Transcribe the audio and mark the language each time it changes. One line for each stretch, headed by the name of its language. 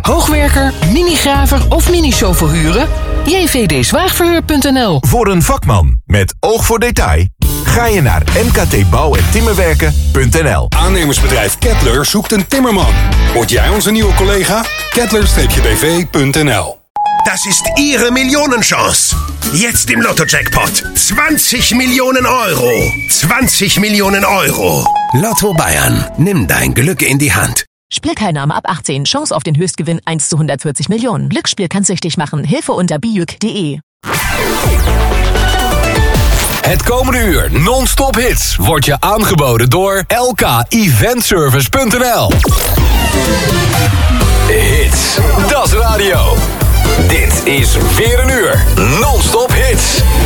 Dutch: Hoogwerker, minigraver of minishow verhuren? jvdzwaagverhuur.nl. Voor een vakman met oog voor detail, ga je naar mktbouw-en-timmerwerken.nl. Aannemersbedrijf Kettler zoekt een timmerman. Word jij onze nieuwe collega? Kettler-bv.nl.
German: Das ist Ihre Millionenchance. Jetzt im Lotto-Jackpot. 20 Millionen Euro. 20 Millionen Euro. Lotto Bayern. Nimm dein Glück in die Hand. Spielteilnahme ab 18. Chance auf den Höchstgewinn 1 zu 140 Millionen. Glücksspiel kann süchtig machen. Hilfe unter bjuk.de.
Dutch: Het komende uur non-stop hits wordt je aangeboden door lkeventservice.nl. Hits.
German: Das Radio.
Dutch: Dit is weer een uur non-stop hits.